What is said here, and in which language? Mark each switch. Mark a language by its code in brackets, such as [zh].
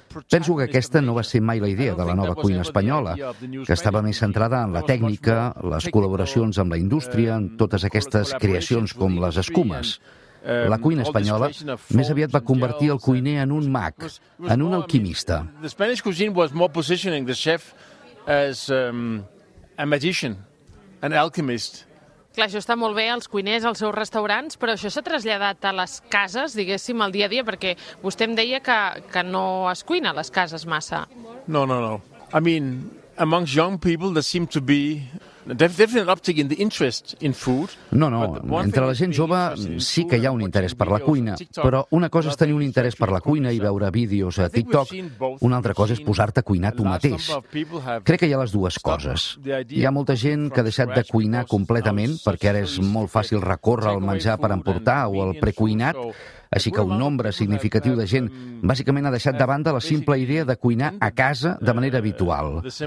[ca] Penso que aquesta no va ser mai la idea de la nova cuina espanyola, que estava més centrada en la tècnica, les col·laboracions amb la indústria, en totes aquestes creacions com les escumes. La cuina espanyola més aviat va convertir el cuiner en un mag, en un alquimista. [en] The Spanish cuisine was more positioning the chef as a magician, an alchemist. [ca] Clar, això està molt bé, els cuiners, als seus restaurants, però això s'ha traslladat a les cases, diguéssim, al dia a dia, perquè vostè em deia que no es cuina a les cases massa. No, no, no. [en] I mean, amongst young people, there seem to be... [ca] No, no, entre la gent jove sí que hi ha un interès per la cuina, però una cosa és tenir un interès per la cuina i veure vídeos a TikTok, una altra cosa és posar-te a cuinar tu mateix. Crec que hi ha les dues coses. Hi ha molta gent que ha deixat de cuinar completament perquè ara és molt fàcil recórrer al menjar per emportar o al precuinat, així que un nombre significatiu de gent bàsicament ha deixat de banda la simple idea de cuinar a casa de manera habitual.